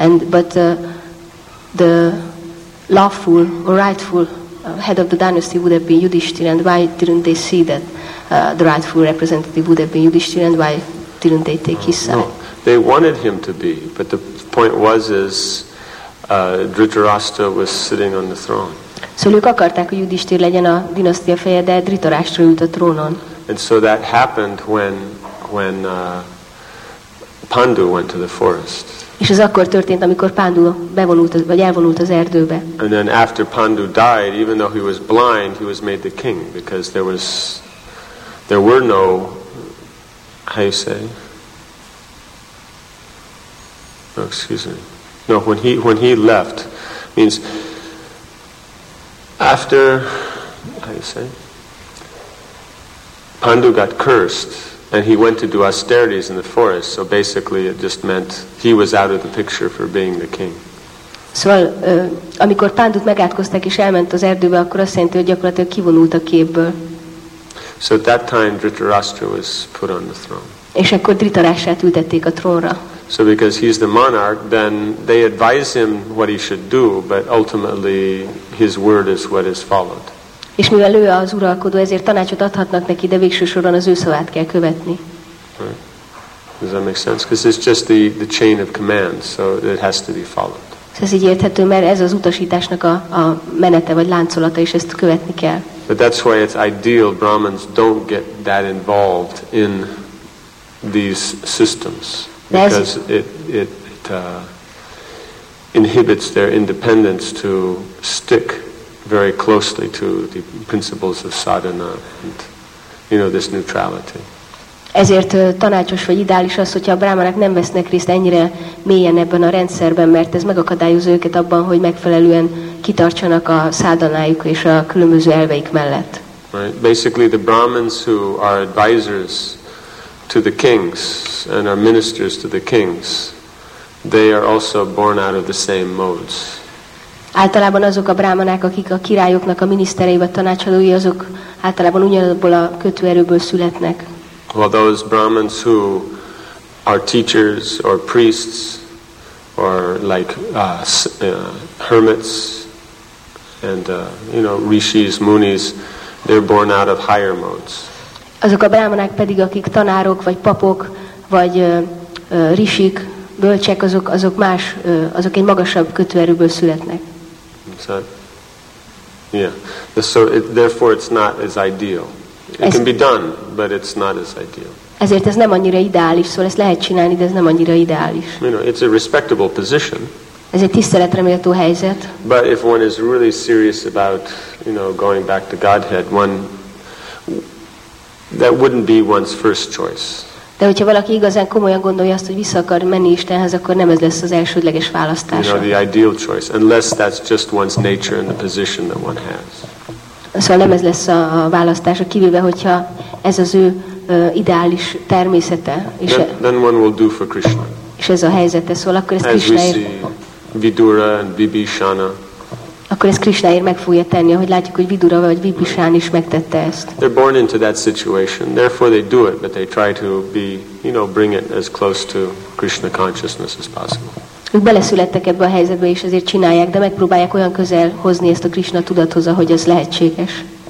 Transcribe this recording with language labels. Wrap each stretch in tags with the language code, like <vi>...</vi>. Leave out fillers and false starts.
<en>But the lawful or rightful head of the dynasty would have been Yudhishthira. And why didn't they see that the rightful representative would have been Yudhishthira? And why didn't they take his side? No, they wanted him to be. But the point was is. Dhritarashtra was sitting on the throne.</en> <hu>So ők akarták, hogy Yudhishthira legyen a dinasztia feje, de Dhritarashtra ült a trónon.</hu> <en>And so that happened when Pandu went to the forest.</en> <hu>És ez akkor történt, amikor Pandu elvonult az erdőbe.</hu> <en>And then after Pandu died, even though he was blind, he was made the king because there were no how you say? Oh, excuse me. No, when he left, means after, how do you say, Pandu got cursed and he went to do austerities in the forest. So basically, it just meant he was out of the picture for being the king.</en> <hu>Szóval, amikor Pandut megátkozták és elment az erdőbe, akkor azt jelenti, hogy gyakorlatilag kivonult a képből.</hu> <en>So at that time, Dhritarashtra was put on the throne.</en> <hu>És akkor Dhritarashtrát ültették a trónra.</hu> <en>So because he's the monarch, then they advise him what he should do, but ultimately his word is what is followed.</en> <hu>És mivel ő az uralkodó, ezért tanácsot adhatnak neki, de végső soron az ő szavát kell követni.</hu> <en>Right. Does that make sense? Because it's just the chain of command, so it has to be followed.</en> <hu>Ez így érthető, mert ez az utasításnak a menete vagy láncolata, és ezt követni kell.</hu> <en>But that's why it's ideal Brahmins don't get that involved in these systems because it inhibits their independence to stick very closely to the principles of sadhana and you know this neutrality.</en> <hu>Ezért tanácsos vagy ideális az, hogyha a brahmanák nem vesznek részt ennyire mélyen ebben a rendszerben, mert ez megakadályozza őket abban, hogy megfelelően kitartsanak a szádanájuk és a különböző elveik mellett.</hu> <en>Right. Basically the brahmins who are advisors to the kings and are ministers to the kings, they are also born out of the same modes.</en> <hu>Általában azok a brahmanák, akik a királyoknak a miniszterei vagy tanácsadói, azok általában ugyanabból a kötőerőből születnek.</hu> <en>Well, those Brahmins who are teachers or priests or like hermits and you know rishis, munis, they're born out of higher modes.</en> <hu>Azok a brahmanák pedig, akik tanárok vagy papok vagy rishik, bölcsek, azok más, azok egy magasabb kötőerőből születnek.</hu> <en>So, yeah. So therefore, it's not as ideal. It can be done, but it's not as ideal.</en> <hu>Ezért ez nem annyira ideális, szóval ezt lehet csinálni, de ez nem annyira ideális.</hu> <en>You know, it's a respectable position.</en> <hu>Ez egy tiszteletreméltó helyzet.</hu> <en>But if one is really serious about, you know, going back to Godhead, one that wouldn't be one's first choice.</en> <hu>De hogyha valaki igazán komolyan gondolja azt, hogy vissza akar menni Istenhez, akkor nem ez lesz az elsődleges választása.</hu> <en>You know, the ideal choice, unless that's just one's nature and the position that one has.</en> <hu>Szóval nem ez lesz a választása, kivéve, hogyha ez az ő ideális természete. És</hu> <en>then one will do for Krishna.</en> <hu>És ez a helyzete, szóval akkor ez Krishnaért.</hu> <en>Vidura and Vibhishana.</en> <hu>Akkor ez Krishnaért meg fogja tenni, ahogy látjuk, hogy Vidura vagy Vibhishan is megtette ezt.</hu> <en>They're born into that situation, therefore they do it, but they try to be, you know, bring it as close to Krishna consciousness as possible.</en> <hu>Ők beleszülettek ebbe a helyzetbe, és ezért csinálják, de megpróbálják olyan közel hozni ezt a Krishna tudathoz, ahogy az lehetséges.</hu>